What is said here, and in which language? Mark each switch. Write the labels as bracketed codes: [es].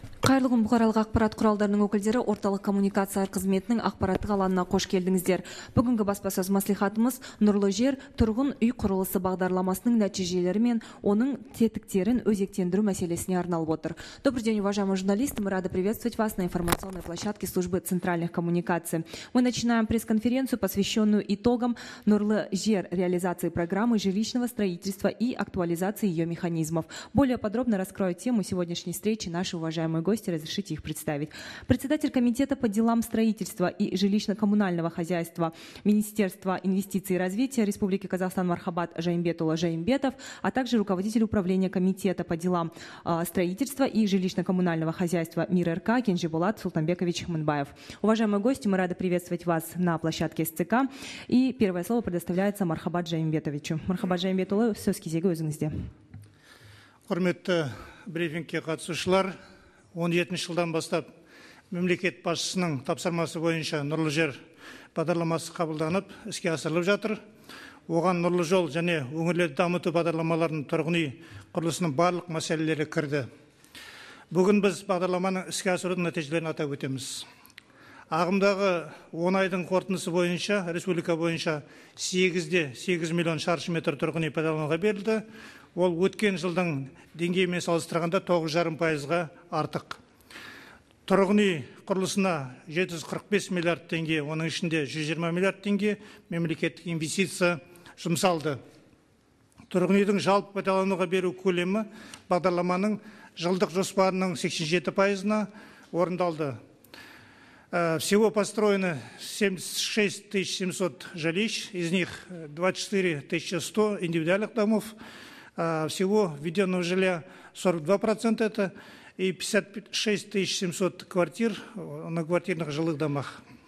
[kk] Қайырлы күн, бұқаралық ақпарат құралдарының өкілдері, орталық коммуникациялар қызметінің ақпараттық алаңына қош келдіңіздер. Бүгінгі баспасөз мәслихатымыз Нұрлы жер тұрғын үй құрылысы бағдарламасының нәтижелері мен оның тетіктерін өзектендіру мәселесіне арналып отыр. [ru] Добрый день, уважаемые журналисты, мы рады приветствовать вас на информационной площадке службы центральных коммуникаций. Мы начинаем пресс-конференцию, посвященную итогам Нұрлы жер реализации программы жилищного строительства и актуализации ее механизмов. Более подробно раскрою тему сегодняшней встречи наши уважаемые гости, разрешите их представить. Председатель комитета по делам строительства и жилищно-коммунального хозяйства Министерства инвестиций и развития Республики Казахстан Мархабат Жаимбетулла Жаимбетов, а также руководитель управления комитета по делам строительства и жилищно-коммунального хозяйства МИР РК Кенжибулат Султанбекович Хманбаев. Уважаемые гости, мы рады приветствовать вас на площадке СЦК. И первое слово предоставляется Мархабат Жаимбетовичу. [kk] Мархабат Жаимбетулла, сөз кезегі өзіңізде. Құрметті брифингке қатысушылар, 17 жылдан бастап мемлекет басшысының тапсырмасы бойынша Нұрлы жер бағдарламасы қабылданып, іске асырылып жатыр. Оған Нұрлы жол және өңірлерді дамыту бағдарламаларының тұрғын үй құрылысының барлық мәселелері кірді. Бүгін біз бағдарламаның іске асырудың нәтижелерін атап өтеміз. Ағымдағы 10 айдың қорытындысы бойынша, республика бойынша 8 миллион шаршы метр тұрғын үй пайдалануға берілді. Ол өткен жылдың деңгейімен салыстырғанда 9,5% артық. Тұрғын үй құрылысына 745 миллиард теңге, оның ішінде 120 миллиард теңге мемлекеттік инвестиция жұмсалды. Тұрғын үйдің жалпы пайдалануға беру көлемі бағдарламаның жылдық жоспарының 87%-на орындалды. [ru] Всего построено 76 700 жилищ, из них 24 100 индивидуальных домов. Всего введенного жилья 42% это и 56 700 квартир на квартирных жилых домах.